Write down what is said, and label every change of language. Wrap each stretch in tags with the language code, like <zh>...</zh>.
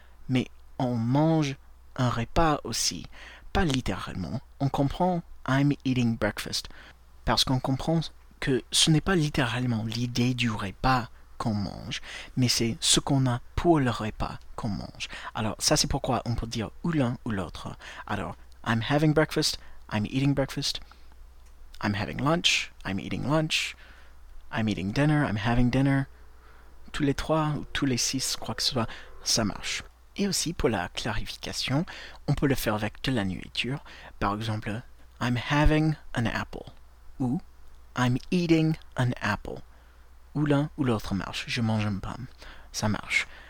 <fr>Mais on mange un repas aussi, pas littéralement, on comprend,</fr> <en>I'm eating breakfast.</en> <fr>Parce qu'on comprend que ce n'est pas littéralement l'idée du repas qu'on mange, mais c'est ce qu'on a pour le repas qu'on mange. Alors, ça c'est pourquoi on peut dire ou l'un ou l'autre.</fr> <en>Alors, I'm having breakfast, I'm eating breakfast, I'm having lunch, I'm eating dinner, I'm having dinner.</en> <fr>Tous les trois ou tous les six, quoi que ce soit, ça marche. Et aussi, pour la clarification, on peut le faire avec de la nourriture. Par exemple,</fr> <en>I'm having an apple. Ou, I'm eating an apple.</en> <fr>Ou l'un ou l'autre marche. Je mange une pomme. Ça marche.</fr>